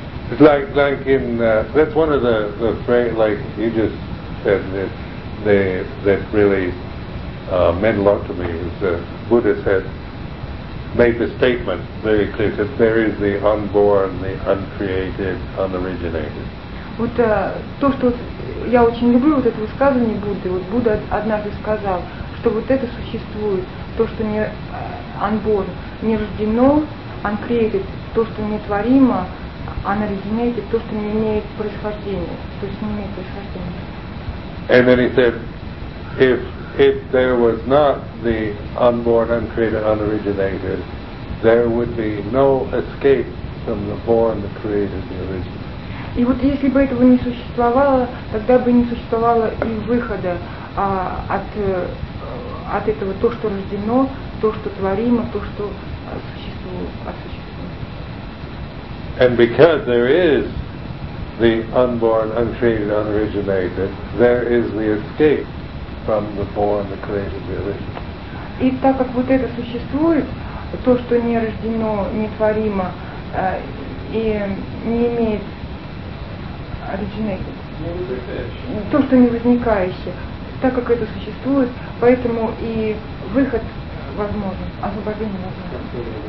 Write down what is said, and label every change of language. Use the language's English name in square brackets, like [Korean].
[English] It's like in that's one of the phrase like you just said that that really meant a lot to me is the Buddha said made the statement very clear that there is the unborn, the uncreated, unoriginated. [Russian] Вот то, что я очень люблю вот это высказывание Будды. Вот Будда однажды сказал, что вот это существует, то, что не [English] unborn, [Russian] не рождено, [English] uncreated, [Russian] то, что нетворимо, [English] unoriginated, [Russian] то, что не имеет происхождения, то есть не имеет происхождения. [English] And then he said, if there was not the unborn, uncreated, unoriginated, there would be no escape from the born, the created, the original. [Russian] И вот если бы этого не существовало, тогда бы не существовало и выхода от этого то, что рождено, то, что творимо, то, что существует. [English] And because there is the unborn, uncreated, unoriginated, there is the escape from the born, the created, the original. [Russian] И так как вот это существует, то, что не рождено, не творимо, и не имеет [English] originated, [Russian] то, что не возникающее, так как это существует, поэтому и выход возможен, освобождение возможно.